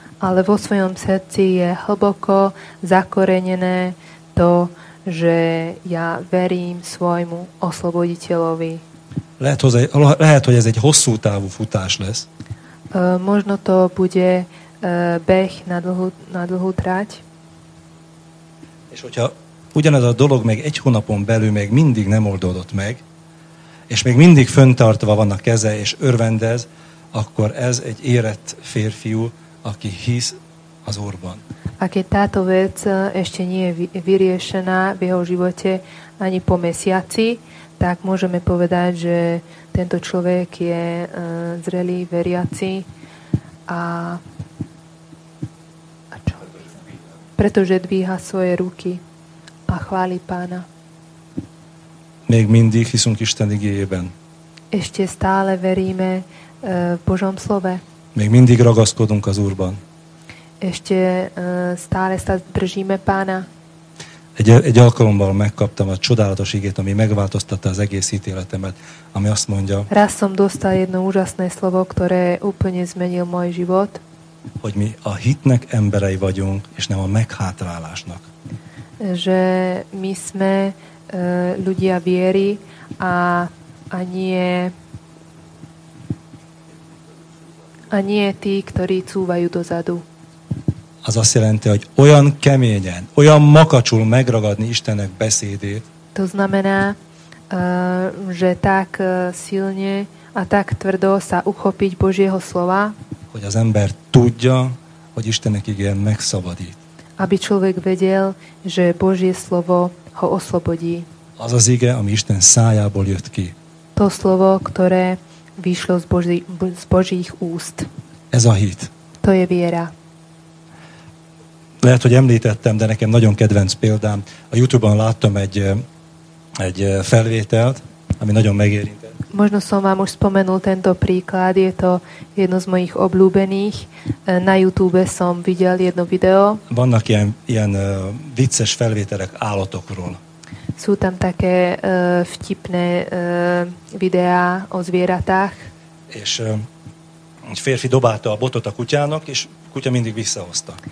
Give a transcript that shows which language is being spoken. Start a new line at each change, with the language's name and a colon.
Slovak: Ale vo svojom srdci je hlboko zakorenené to, že ja verím svojmu osloboditeľovi.
Hungarian: Lehet, hogy ez egy hosszú távú futás lesz.
Slovak: Možno to bude beh na dlhú trať.
Hungarian: És hogyha ugyanez a dolog még egy hónapon belül még mindig nem oldódott meg, és még mindig fönntartva van a keze, és örvendez, akkor ez egy érett férfiú, aki hisz az Úrban.
Slovak: A keď táto vec ešte nie je vyriešená v jeho živote ani po mesiaci, tak môžeme povedať, že tento človek je zrelý, veriaci a pretože dvíha svoje ruky a chváli Pána.
Hungarian: Még mindig hiszünk Isten igéjében.
Slovak: Ešte stále veríme v Božom slove.
Hungarian: Még mindig ragaszkodunk az Úrban.
Slovak: Ešte stále sa držíme Pána.
Hungarian: Egy alkalommal megkaptam a csodálatos igét, ami megváltoztatta az egész ítéletemet, ami azt mondja.
Slovak: Raz som dostal jedno úžasné slovo, ktoré úplne zmenil môj život.
Hungarian: Hogy mi a hitnek emberei vagyunk, és nem a meghátrálásnak.
Slovak: Že my sme ľudia viery a nie tí, ktorí cúvajú dozadu.
Hungarian: Az azt jelenti, hogy olyan keményen, olyan makacsul megragadni Istennek beszédét.
Slovak: To znamená, že tak silne a tak tvrdo sa uchopiť Božieho slova,
Hungarian: hogy az ember tudja, hogy Istennek igen megszabadít.
Slovak: Aby človek vedel, že Božie slovo ho oslobodí.
Hungarian: Az az ige, ami Isten szájából jött ki.
Slovak: To slovo, ktoré vyšlo z Božích úst.
Hungarian: Ez a hit.
Slovak: To je viera.
Hungarian: Lehet, hogy említettem, de nekem nagyon kedvenc példám. A YouTube-on láttam egy felvételt, ami nagyon megérintett.
Slovak: Možno som vám už spomenul tento príklad, je to jedno z mojich obľúbených. Na YouTube som videl jedno video.
Hungarian: Vannak ilyen vicces felvételek állatokról.
Slovak: Sú tam také vtipné videá o zvieratách.
Hungarian: És egy férfi dobálta a botot a kutyának, és kutya mindig visszahozta.